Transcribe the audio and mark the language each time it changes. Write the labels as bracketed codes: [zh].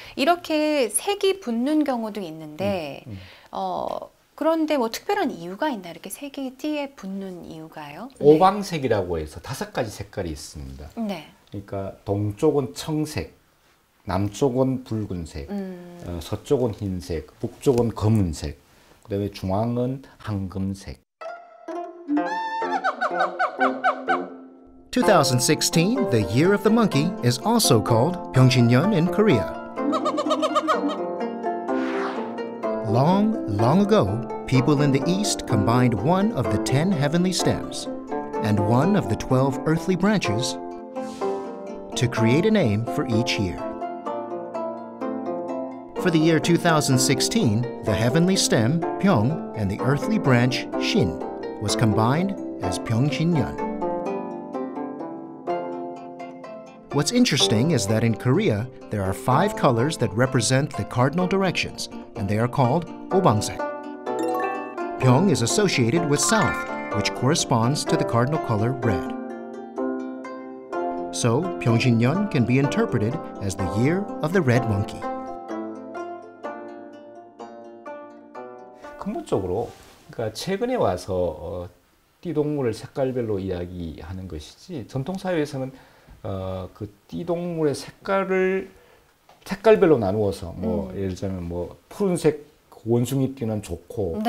[ko] 이렇게 색이 붙는 경우도 있는데, 그런데 뭐 특별한 이유가 있나 이렇게 색이 띠에 붙는 이유가요? 오방색이라고 해서 다섯 가지 색깔이 있습니다. 네. 그러니까 동쪽은 청색, 남쪽은 붉은색, 서쪽은 흰색, 북쪽은 검은색. 그다음에 중앙은 황금색. [en] 2016, the Year of the Monkey, is also called 병신년 in Korea. Long, long ago, people in the East combined one of the 10 heavenly stems and one of the 12 earthly branches to create a name for each year. For the year 2016, the heavenly stem, Pyeong, and the earthly branch, Shin, was combined as Pyeongshinnyeon. What's interesting is that in Korea, there are five colors that represent the cardinal directions, and they are called Obangsaek. Pyeong is associated with south, which corresponds to the cardinal color red. So, Pyeongshinnyeon can be interpreted as the year of the red monkey. [ko] 근본적으로 그러니까 최근에 와서 띠동물을 색깔별로 이야기하는 것이지 전통사회에서는 그 띠동물의 색깔을 색깔별로 나누어서 뭐 예를 들자면 뭐 푸른색 원숭이 띠는 좋고 네.